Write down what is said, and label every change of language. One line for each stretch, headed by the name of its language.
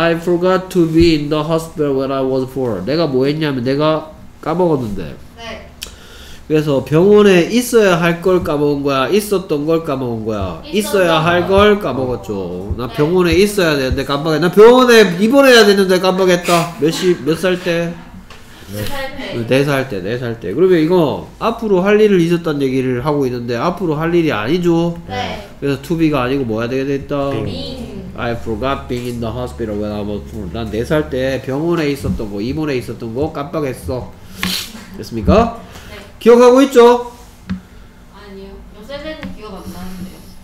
English: I forgot to be in the hospital when I was four.
Korean: 내가 뭐 했냐면 내가 까먹었는데. 네. 그래서 병원에 있어야 할 걸 까먹은 거야? 있었던 걸 까먹은 거야? 있어야 할 걸 까먹었죠. 나 네. 병원에 있어야 되는데 깜빡했다. 나 병원에 입원해야 되는데 깜빡했다. 몇 살 때? 네 살 때. 그러면 이거 앞으로 할 일을 잊었다는 얘기를 하고 있는데 앞으로 할 일이 아니죠? 네. 그래서 to be가 아니고 뭐 해야 되겠다?
English: Being. I forgot being in the hospital when I was born.
Korean: 난 4살 때 병원에 있었던 거, 입원에 있었던 거 깜빡했어. 됐습니까? 네. 기억하고 있죠? 아니요. 요새는 기억 안 나는데요.